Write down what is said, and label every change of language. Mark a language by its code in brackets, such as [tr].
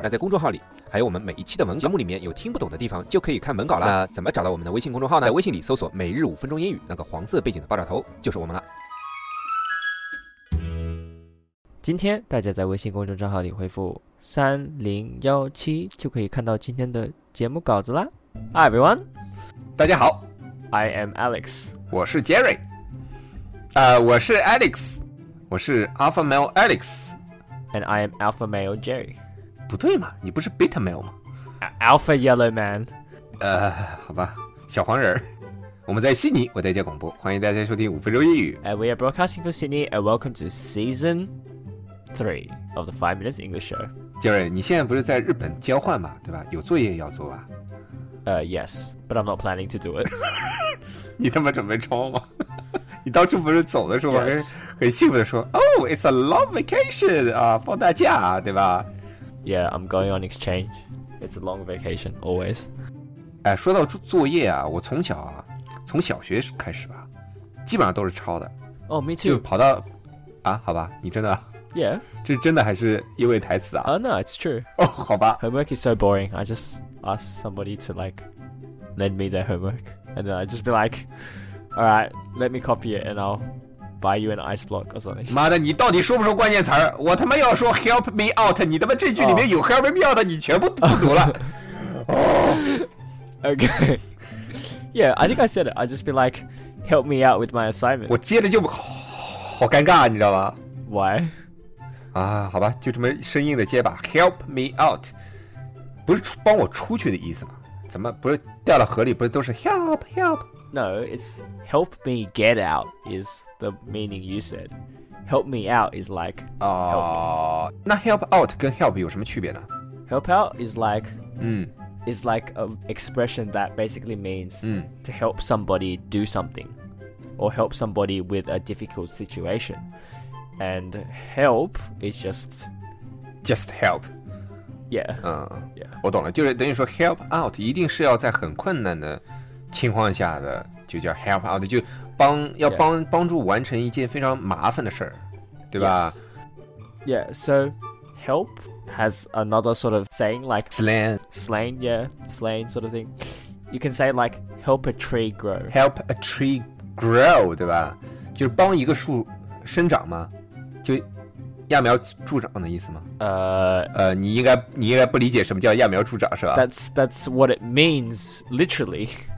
[zh] 那在公众号里，还有我们每一期的文稿，节目里面有听不懂的地方就可以看文稿了。那怎么找到我们的微信公众号呢？在微信里搜索"每日五分钟英语"，那个黄色背景的爆炸头就是我们了。今天大家在微信公众号里回复3017，就可以看到今天的节目稿子啦。 [en] Hi everyone。 [zh] 大家好 [en] I am Alex [zh] 我是 Jerry、我是 Alex 我是 Alpha Male Alex [en] And I am Alpha Male Jerry [zh] 不对嘛你不是 Beta Male 吗 [en] Alpha Yellow Man [zh] 好吧小黄人我们在悉尼我在家广播欢迎大家收听五分钟英语 [en] And we are broadcasting from Sydney And welcome to season 3 of the 5 Minutes English Show [zh] Jerry 你现在不是在日本交换嘛对吧有作业要做吧 [en] Yes, but I'm not planning to do it. [zh] 你他妈准备抄吗？你当初不是走的时候很兴奋地说 [en] Oh, it's a long vacation, [zh] 放大假，对吧？ [en] Yeah, I'm going on exchange. It's a long vacation, always. [zh] 哎，说到作业啊，我从小啊，从小学开始吧，基本上都是抄的。 [en] Oh, me too. [zh] 就跑到，啊，好吧，你真的？ [en] Yeah. [zh] 这真的还是因为台词啊？ [en] No, it's true. [zh] 哦，好吧。 [en] Homework is so boring, I justask somebody to like lend me their homework and then I'd just be like alright let me copy it and I'll buy you an ice block or something [zh] 妈的你到底说不说关键词我他妈要说 [en] help me out [zh] 你他妈这句里面有 help me out 你全部不读了 [en] okay yeah I think I said it I'd just be like help me out with my assignment [zh] 我接着就 好尴尬你知道吗 [en] why [zh] 啊好吧就这么生硬的接吧 [en] help me out [zh] 不是帮我出去的意思吗？怎么不是掉到河里？不是都是 help help？ [en] No, it's help me get out is the meaning you said. Help me out is like [zh] 哦，那 [en] help out [zh] 跟 help 有什么区别呢 [en] ？Help out is like 嗯，is like an expression that basically means to help somebody do something or help somebody with a difficult situation. And help is just help. Yeah, [zh] 我懂了，就是等于说 [en] help out [zh] 一定是要在很困难的情况下的，就叫 help out， 就帮要帮、 [en] yeah. [zh] 帮助完成一件非常麻烦的事对吧、 [en] yes. ？Yeah, so help has another sort of saying like slang, yeah, slang sort of thing. You can say like help a tree grow, help a tree grow， [zh] 对吧？就是帮一个树生长嘛，就。揠苗助长的意思吗？你应该不理解什么叫揠苗助长是吧 [en] ？That's what it means literally.